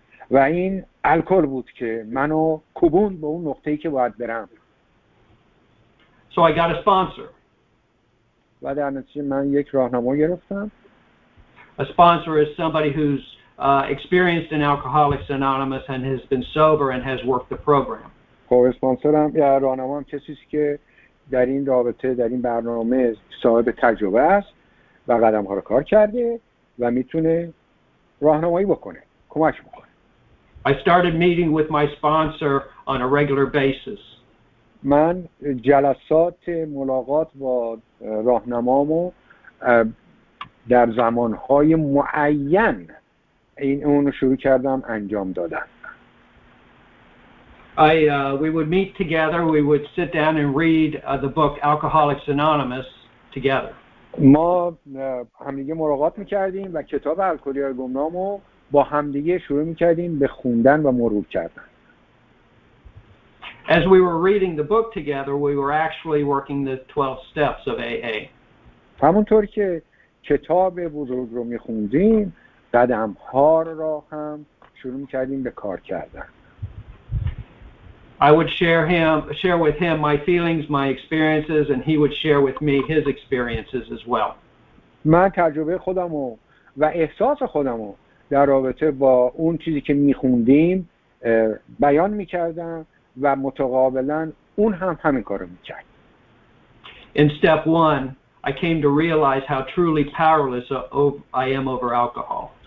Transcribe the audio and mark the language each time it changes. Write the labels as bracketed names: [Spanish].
[Persian] و این الکل بود که منو کوبون به اون نقطه‌ای که باید برم. [English] So I got a sponsor. [Persian] و در نتیجه من یک راهنما گرفتم. [English] A sponsor is somebody who's experienced in Alcoholics Anonymous and has been sober and has worked the program. [Persian] خب اسپانسرم یا راهنما هم کسی است که در این رابطه در این برنامه صاحب تجربه است و قدم ها رو کار کرده و میتونه راهنمایی بکنه، کمک بکنه. [English] I started meeting with my sponsor on a regular basis. [Persian] من جلسات ملاقات با راهنمامو در زمانهای معین این اونو شروع کردم انجام دادن. [English] We would meet together, we would sit down and read the book Alcoholics Anonymous together. [Persian] ما همدیگه ملاقات میکردیم و کتاب الکلی‌های گمنام رو با همدیگه شروع میکردیم به خوندن و مرور کردن. [English] As we were reading the book together, we were actually working the 12 steps of AA. [Persian] همونطور که کتاب بزرگ رو میخوندیم، قدم‌ها رو هم شروع میکردیم به کار کردن. [English] I would share with him my feelings, my experiences, and he would share with me his experiences as well. [Persian] من تجربه خودمو و احساس خودمو در رابطه با اون چیزی که می‌خوندیم بیان می‌کردم و متقابلاً اون هم همین کارو می‌کرد. [English] In step one, I came to realize how truly powerless I am over alcohol.